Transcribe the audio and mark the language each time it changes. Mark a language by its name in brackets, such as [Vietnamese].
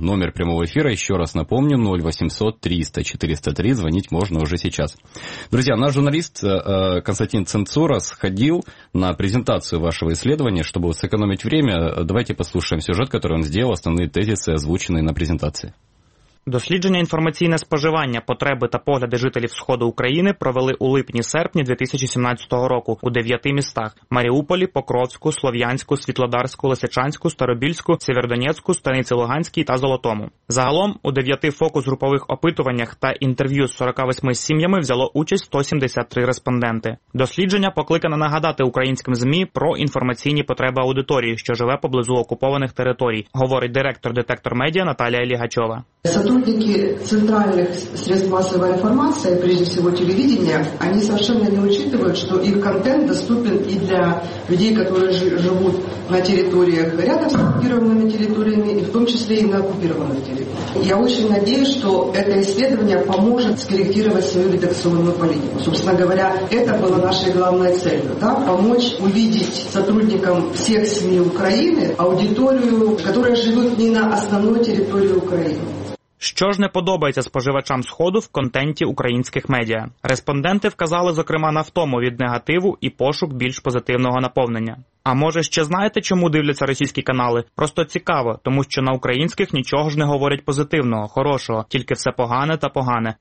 [Russian] Номер прямого эфира, еще раз напомню, 0800 300 403, звонить можно уже сейчас. Друзья, наш журналист Константин Цинцура сходил на презентацию вашего исследования, чтобы сэкономить время. Давайте послушаем сюжет, который он сделал, основные тезисы, озвученные на презентации. [Ukrainian] Дослідження інформаційне споживання, потреби та погляди жителів Сходу України провели у липні-серпні 2017 року у 9 містах – Маріуполі, Покровську, Слов'янську, Світлодарську, Лисичанську, Старобільську, Сєвєродонецьку, Станиці Луганській та Золотому. Загалом у 9 фокус-групових опитуваннях та інтерв'ю з 48 сім'ями взяло участь 173 респонденти. Дослідження покликане нагадати українським ЗМІ про інформаційні потреби аудиторії, що живе поблизу окупованих територій, говорить директор «Детектор Медіа» Наталія Лігачова. [Russian] Сотрудники центральных средств массовой информации, прежде всего телевидения, они совершенно не учитывают, что их контент доступен и для людей, которые живут на территориях рядом с оккупированными территориями, и в том числе и на оккупированных территориях. Я очень надеюсь, что это исследование поможет скорректировать свою редакционную политику. Собственно говоря, это было нашей главной целью, да, помочь увидеть сотрудникам всех СМИ Украины аудиторию, которая живет не на основной территории Украины. [Ukrainian] Що ж не подобається споживачам Сходу в контенті українських медіа? Респонденти вказали, зокрема, на втому від негативу і пошук більш позитивного наповнення. А може ще знаєте, чому дивляться російські канали? Просто цікаво, тому що на українських нічого ж не говорять позитивного, хорошого, тільки все погане та погане.